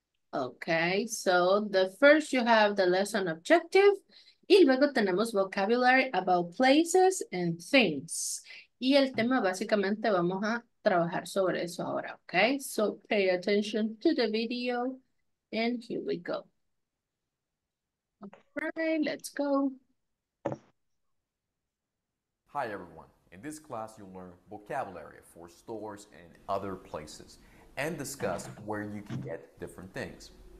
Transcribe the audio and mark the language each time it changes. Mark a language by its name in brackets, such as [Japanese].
[English] Ok, so the first you have the lesson objective. [Spanish] Y luego tenemos [English] vocabulary about places and things. [Spanish] Y el tema básicamente vamos a trabajar sobre eso ahora, ¿ok? [English] So pay attention to the video and here we go. All right, let's go. Hi everyone. In this class, you'll learn vocabulary for stores and other places and discuss where you can get different things.